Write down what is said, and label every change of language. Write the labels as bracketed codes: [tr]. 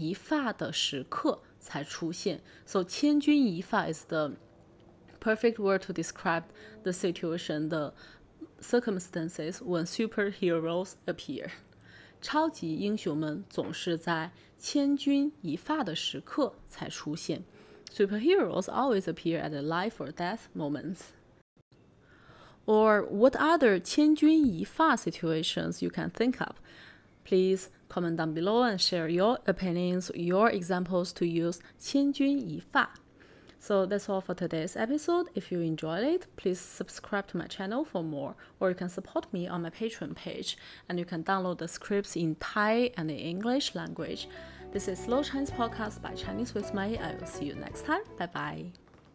[zh] 超级英雄们总是在千钧一发的时刻才出现. [en] So 千钧一发 is the perfect word to describe the situation, the circumstances when superheroes appear. [zh] 超级英雄们总是在千钧一发的时刻才出现. [en] Superheroes always appear at the life or death moments. Or what other 千钧一发 situations you can think of? Please comment down below and share your opinions, your examples to use 千钧一发. So that's all for today's episode. If you enjoyed it, please subscribe to my channel for more, or you can support me on my Patreon page, and you can download the scripts in Thai and in English language. This is Slow Chinese Podcast by Chinese with Mei. I will see you next time. Bye bye.